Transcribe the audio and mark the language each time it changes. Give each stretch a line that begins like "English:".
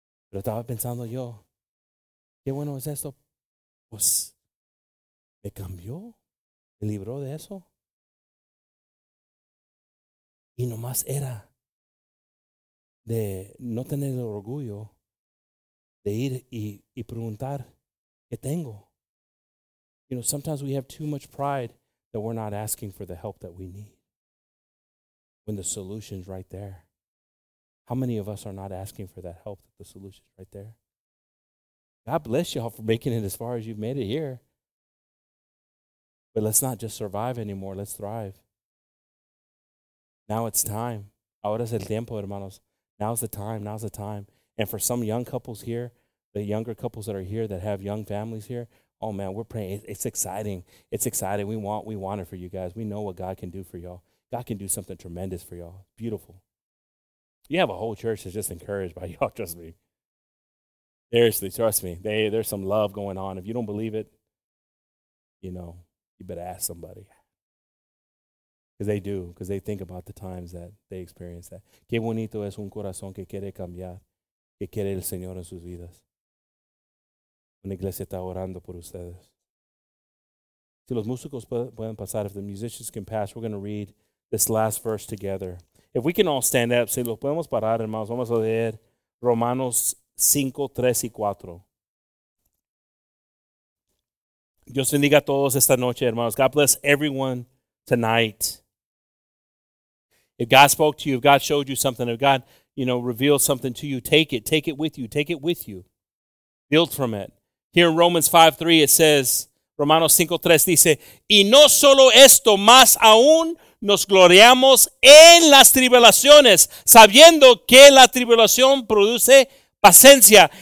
Spanish: Pero estaba pensando yo, qué bueno es esto. Pues me cambió. Me libró de eso. Y nomás era de no tener el orgullo de ir y preguntar qué tengo.
English: You know, sometimes we have too much pride that we're not asking for the help that we need when the solution's right there. How many of us are not asking for that help that the solution's right there? God bless y'all for making it as far as you've made it here. But let's not just survive anymore. Let's thrive. Now it's time.
Spanish: Ahora es el tiempo, hermanos.
English: Now's the time. And for some young couples here, the younger couples that are here that have young families here, oh, man, we're praying. It's exciting. We want it for you guys. We know what God can do for y'all. God can do something tremendous for y'all. It's beautiful. You have a whole church that's just encouraged by y'all. Trust me. Seriously, trust me. There's some love going on. If you don't believe it, you know. You better ask somebody. Because they do. Because they think about the times that they experience that.
Spanish: Qué bonito es un corazón que quiere cambiar. Que quiere el Señor en sus vidas. Una iglesia está orando por ustedes. Si los músicos pueden pasar,
English: if the musicians can pass, we're going to read this last verse together. If we can all stand up,
Spanish: si los podemos parar, hermanos, vamos a leer Romanos 5, 3 y 4. Dios bendiga a todos esta noche, hermanos.
English: God bless everyone tonight. If God spoke to you, if God showed you something, if God, you know, revealed something to you, take it with you. Build from it. Here in Romans 5:3, it says,
Spanish: Romanos 5:3 dice, y no solo esto, más aún nos gloriamos en las tribulaciones, sabiendo que la tribulación produce paciencia.